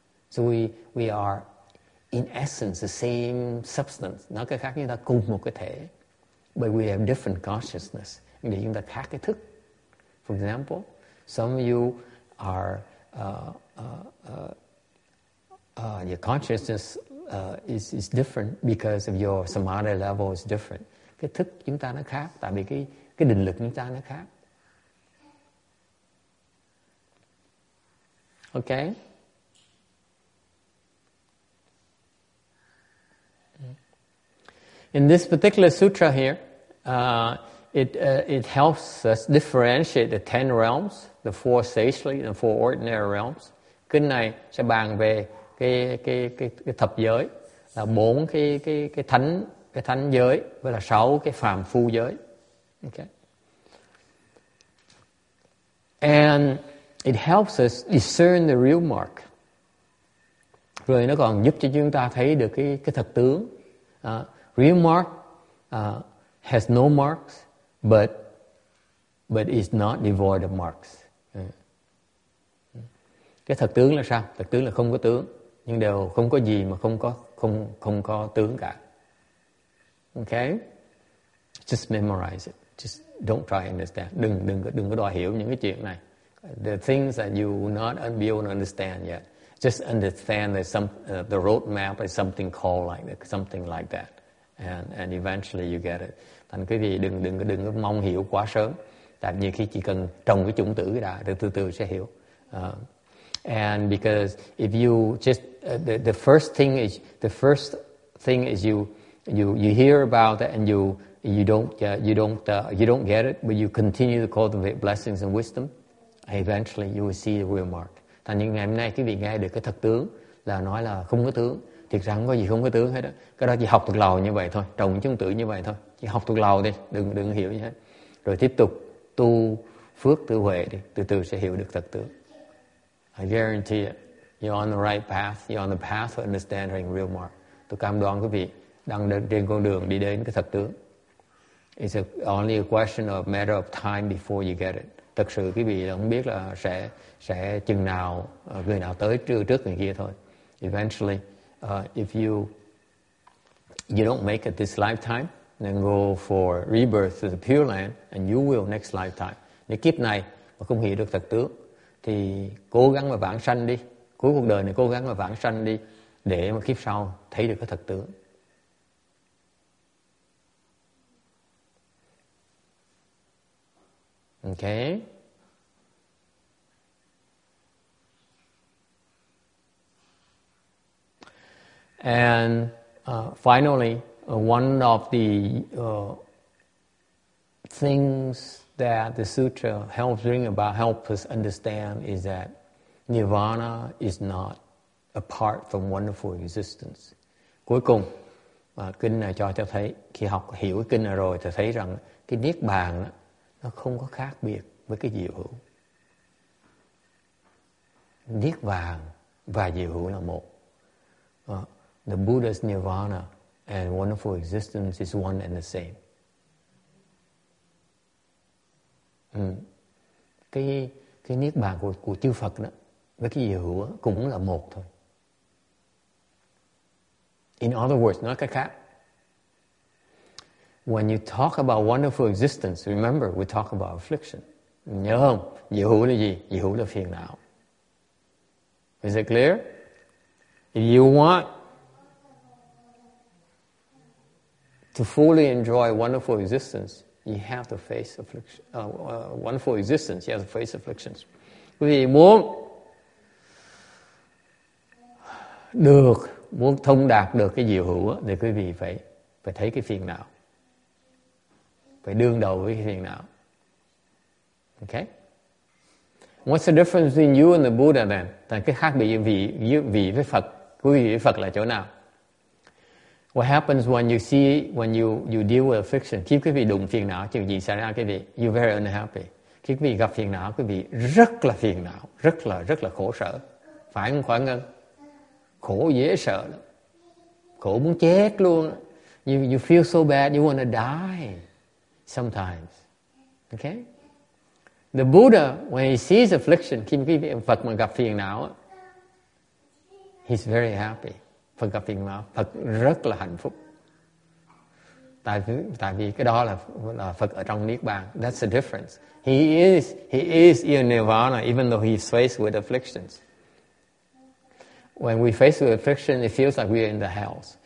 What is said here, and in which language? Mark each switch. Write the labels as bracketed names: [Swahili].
[English] So we are in essence the same substance. [Vietnamese] Nói cách khác, chúng ta cùng một cái thể. [English] But we have different consciousness. [Vietnamese] Để chúng ta khác cái thức. [English] For example, some of you are your consciousness is different because of your samadhi level is different. [Vietnamese] Cái thức chúng ta nó khác tại vì cái định lực chúng ta nó khác. [English] Okay. In this particular sutra here, it helps us differentiate the 10 realms, the 4 sagely, the 4 ordinary realms. [Vietnamese] Kinh này sẽ bàn về cái thập giới là bốn cái thánh giới với là sáu cái phàm phu giới. [English] Okay. And it helps us discern the real mark. [Vietnamese] Rồi nó còn giúp cho chúng ta thấy được cái thật tướng. [English] Real mark has no marks, but is not devoid of marks. [Vietnamese] Cái thật tướng là sao? Thật tướng là không có tướng, nhưng đều không có gì mà không có tướng cả. [English] Okay? Just memorize it. Just don't try to understand. [Vietnamese] Đừng có đòi hiểu những cái chuyện này. [English] The things that you will not be able to understand yet. Just understand there's the roadmap is something called like that. And eventually you get it. [Vietnamese] Thành quý vị đừng có mong hiểu quá sớm. Tại vì khi chỉ cần trồng cái chủng tử cái đã, từ từ sẽ hiểu. [English] And because if you just the first thing is you hear about it and you don't get it, but you continue to cultivate blessings and wisdom, eventually you will see the real mark. [Vietnamese] Thành như ngày hôm nay quý vị nghe được cái thật tướng là nói là không có tướng, thiệt rằng có gì không có tướng hết đó. Cái đó chỉ học thuộc lầu như vậy thôi, trồng chứng tử như vậy thôi, chỉ học thuộc lầu đi, đừng hiểu như thế. Rồi tiếp tục tu phước tu huệ đi, từ từ sẽ hiểu được thật tướng. [English] I guarantee it. You're on the right path. You're on the path of understanding the real mark. [Vietnamese] Tôi cam đoan quý vị đang trên con đường đi đến cái thật tướng. [English] It's only a question of matter of time before you get it. [Vietnamese] Thật sự quý vị không biết là sẽ chừng nào người nào tới trước người kia thôi. [English] Eventually, if you don't make it this lifetime, then go for rebirth to the Pure Land, and you will next lifetime. [Vietnamese] Nếu kiếp này mà không hiểu được thật tướng thì cố gắng mà vãng sanh đi, cuối cuộc đời này cố gắng mà vãng sanh đi để mà kiếp sau thấy được cái thật tướng. [English] Okay. And finally, one of the things that the sutra helps bring about, help us understand, is that nirvana is not apart from wonderful existence. [Vietnamese] Cuối cùng, kinh này cho ta thấy, khi học hiểu cái kinh này rồi, ta thấy rằng cái niết bàn đó, nó không có khác biệt với cái diệu hữu. Niết bàn và diệu hữu là một. [English] The Buddha's nirvana and wonderful existence is one and the same. [Vietnamese] Cái niết bàn của chư Phật đó với cái diệu hữu đó, cũng là một thôi. [English] In other words, [Vietnamese] nói cách khác, [English] when you talk about wonderful existence, remember we talk about affliction. [Vietnamese] Nhớ không? Diệu hữu là gì? Diệu hữu là phiền não. [English] Is it clear? If you want to fully enjoy wonderful existence, you have to face affliction. Wonderful existence, you have to face afflictions. [Vietnamese] Quý vị muốn được, muốn thông đạt được cái diệu hữu thì quý vị phải thấy cái phiền não, phải đương đầu với cái phiền não. [English] Okay. What's the difference between you and the Buddha then? [Vietnamese] Tại cái khác biệt vị với Phật, quý vị với Phật là chỗ nào? [English] What happens when you see, when you deal with affliction? [Vietnamese] Khi quý vị đụng phiền não, chuyện gì xảy ra quý vị? [English] You're very unhappy. [Vietnamese] Khi quý vị gặp phiền não, quý vị rất là phiền não, rất là khổ sở. Phải không Khoản Ngân? Khổ dễ sợ lắm. Khổ muốn chết luôn. [English] You feel so bad, you want to die sometimes. Okay? The Buddha, when he sees affliction, [Vietnamese] khi quý vị Phật mà gặp phiền não, [English] he's very happy. [Vietnamese] Phật gặp phiền não, Phật rất là hạnh phúc. Tại vì cái đó là Phật ở trong Niết Bàn. [English] That's the difference. He is in Nirvana, even though he's faced with afflictions. When we face with affliction, it feels like we're in the hells.